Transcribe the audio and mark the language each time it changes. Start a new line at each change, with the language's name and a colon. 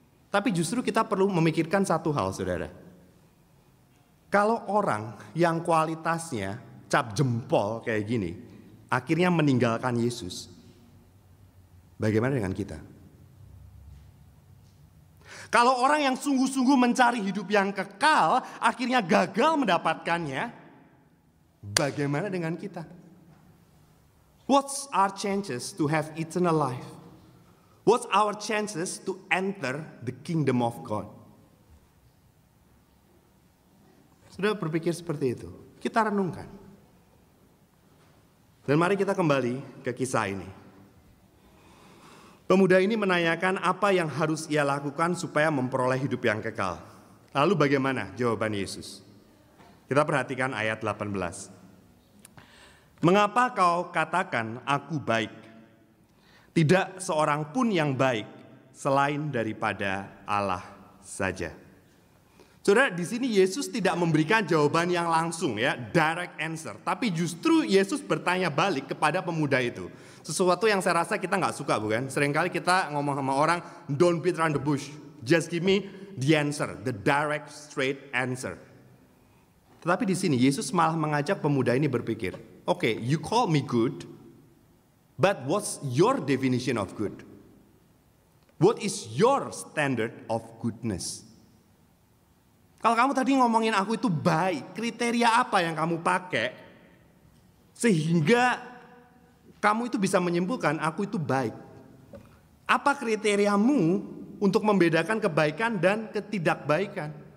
Indonesian: Tapi justru kita perlu memikirkan satu hal, saudara. Kalau orang yang kualitasnya cap jempol kayak gini akhirnya meninggalkan Yesus, bagaimana dengan kita? Kalau orang yang sungguh-sungguh mencari hidup yang kekal akhirnya gagal mendapatkannya, bagaimana dengan kita?
English: What's our chances to have eternal life? What's our chances to enter the kingdom of God?
Indonesian: Sudah berpikir seperti itu. Kita renungkan. Dan mari kita kembali ke kisah ini. Pemuda ini menanyakan apa yang harus ia lakukan supaya memperoleh hidup yang kekal. Lalu bagaimana jawaban Yesus? Kita perhatikan ayat 18. Mengapa kau katakan aku baik? Tidak seorang pun yang baik selain daripada Allah saja. Saudara, di sini Yesus tidak memberikan jawaban yang langsung ya,
English: direct answer.
Indonesian: Tapi justru Yesus bertanya balik kepada pemuda itu. Sesuatu yang saya rasa kita gak suka, bukan? Seringkali kita ngomong sama orang,
English: don't beat around the bush. Just give me the answer, the direct straight answer.
Indonesian: Tetapi di sini Yesus malah mengajak pemuda ini berpikir,
English: okay, you call me good, but what's your definition of good? What is your standard of goodness?
Indonesian: Kalau kamu tadi ngomongin aku itu baik, kriteria apa yang kamu pakai sehingga kamu itu bisa menyimpulkan aku itu baik? Apa kriteriamu untuk membedakan kebaikan dan ketidakbaikan?